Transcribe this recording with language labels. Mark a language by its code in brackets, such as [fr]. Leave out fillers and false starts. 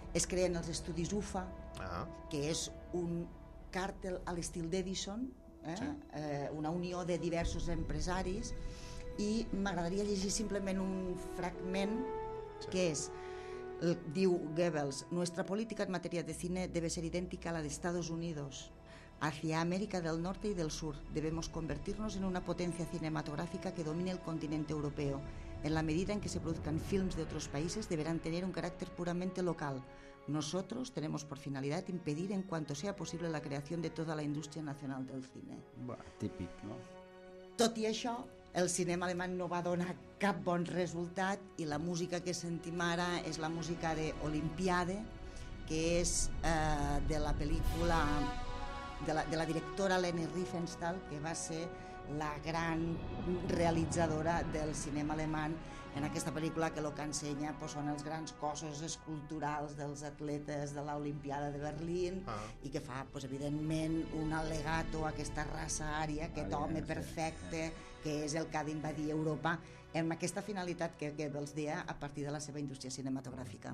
[ca] Es creen els estudis UFA, que és un càrtel a l'estil d'Edison, una unió de diversos empresaris, i m'agradaria llegir simplement un fragment que és... Diu Goebbels: [es] nuestra política en materia de cine debe ser idéntica a la de Estados Unidos hacia América del Norte y del Sur. Debemos convertirnos en una potencia cinematográfica que domine el continente europeo. En la medida en que se produzcan films de otros países, deberán tener un carácter puramente local. Nosotros tenemos por finalidad impedir en cuanto sea posible la creación de toda la industria nacional del cine. [ca] Típic, ¿no? Tot i això, el cinema alemany no va donar cap bon resultat, i la música que sentim ara és la música de Olimpiade, que és de la pel·lícula de la directora Leni Riefenstahl, que va ser la gran realitzadora del cinema alemany en aquesta pel·lícula, que el que ensenya pues, són els grans cossos esculturals dels atletes de l'Olimpiada de Berlín, ah. I que fa, pues, evidentment, un allegato a aquesta raça ària, aquest ària, home perfecte, sí, que és el que ha d'invadir Europa, amb aquesta finalitat que vols dir a partir de la seva indústria cinematogràfica.